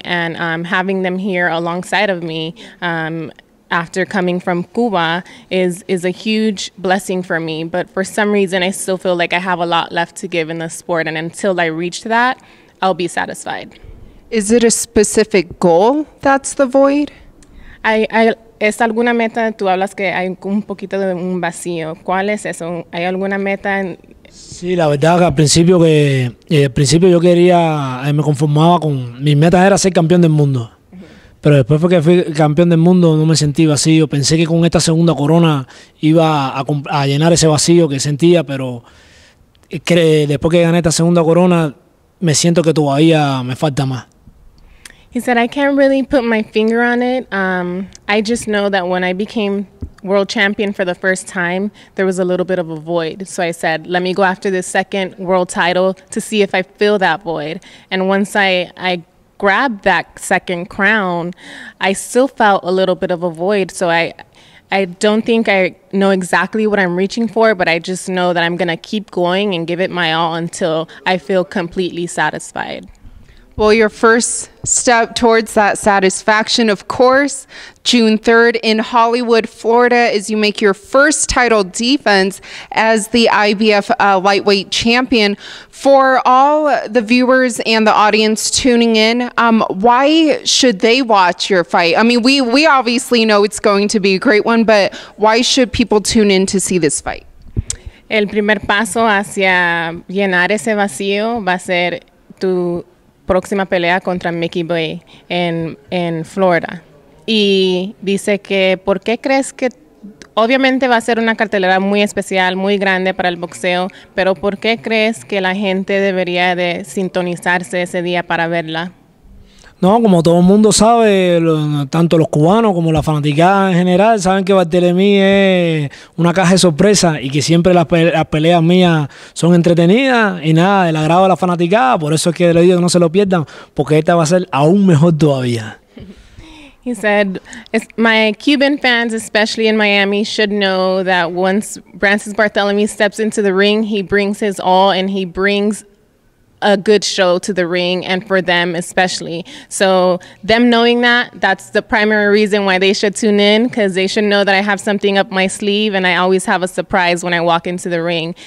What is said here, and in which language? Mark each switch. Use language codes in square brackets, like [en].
[en] And having them here alongside of me after coming from Cuba is a huge blessing for me. But for some reason, I still feel like I have a lot left to give in the sport. And until I reach that, I'll be satisfied. Is it a specific goal that's the void? [es] ¿Es alguna meta? Tú hablas que hay un poquito de un vacío. ¿Cuál es eso? ¿Hay alguna meta? Sí, la verdad que al principio yo quería, me conformaba con, mi meta era ser campeón del mundo. Pero después fue que fui campeón del mundo, no me sentí vacío. Pensé que con esta segunda corona iba a llenar ese vacío que sentía, pero después que gané esta segunda corona, me siento que todavía me falta más. [en] He said, I can't really put my finger on it. I just know that when I became world champion for the first time, there was a little bit of a void. So I said, let me go after this second world title to see if I fill that void. And once I grabbed that second crown, I still felt a little bit of a void. So I don't think I know exactly what I'm reaching for, but I just know that I'm going to keep going and give it my all until I feel completely satisfied. Well, your first step towards that satisfaction, of course, June 3rd in Hollywood, Florida, as you make your first title defense as the IBF lightweight champion. For all the viewers and the audience tuning in, why should they watch your fight? I mean, we obviously know it's going to be a great one, but why should people tune in to see this fight? [es] El primer paso hacia llenar ese vacío va a ser tu próxima pelea contra Mickey Bey en Florida. Y dice que, ¿por qué crees que? Obviamente va a ser una cartelera muy especial, muy grande para el boxeo, pero ¿por qué crees que la gente debería de sintonizarse ese día para verla? No, como todo el mundo sabe, tanto los cubanos como la fanaticada en general, saben que Barthelemy es una caja de sorpresa y que siempre las peleas mías son entretenidas y nada, del agrado a la fanaticada, por eso es que le digo que no se lo pierdan, porque esta va a ser aún mejor todavía. [en] He said, my Cuban fans, especially in Miami, should know that once Rances Barthelemy steps into the ring, he brings his all and he brings a good show to the ring and for them especially. So them knowing that, that's the primary reason why they should tune in, because they should know that I have something up my sleeve and I always have a surprise when I walk into the ring.